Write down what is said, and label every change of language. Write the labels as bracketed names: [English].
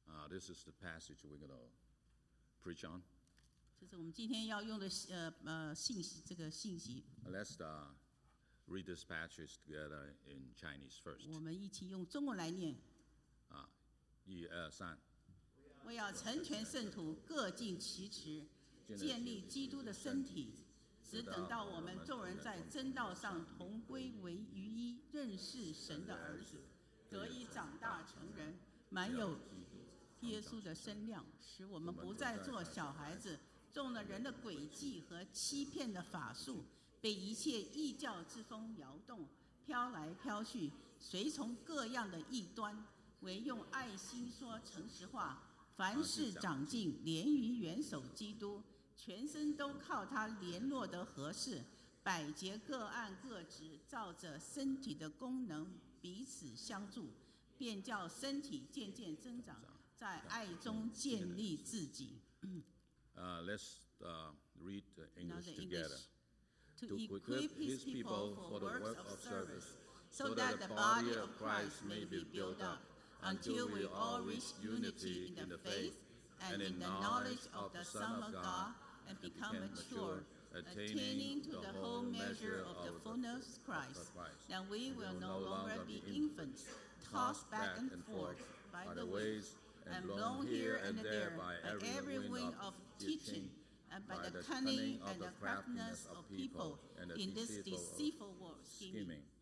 [English] This is the passage we're going to preach on. [Chinese] 这是我们今天要用的, 信息, 这个信息。 [English] Let's read this passage together in Chinese first. [Chinese] 我们一起用中文来念。一二三。我要成全圣徒, 各尽其职, 建立基督的身体, 只等到我们众人在真道上同归为于一, 认识神的儿子, 得以长大成人, 满有耶稣的身量, 使我们不再做小孩子, 中了人的诡计和欺骗的法术, 被一切异教之风摇动, 飘来飘去, 随从各样的异端, 唯用爱心说诚实话, 凡事长进, 连于元首基督, 全身都靠他联络得合适, 百节各按各职, 照着身体的功能, 彼此相助, 便叫身体渐渐增长, 在爱中建立自己。 [English] Let's read the English together. To equip his people for the work of service, so that the body of Christ may be built up, until we all reach unity in the faith and in the knowledge of the Son of God and become mature, attaining to the whole measure of the fullness of Christ, then we will no longer be infants, tossed back and forth by the ways and blown here and there by every wind of teaching and by the cunning and the craftiness of people in this deceitful world scheming.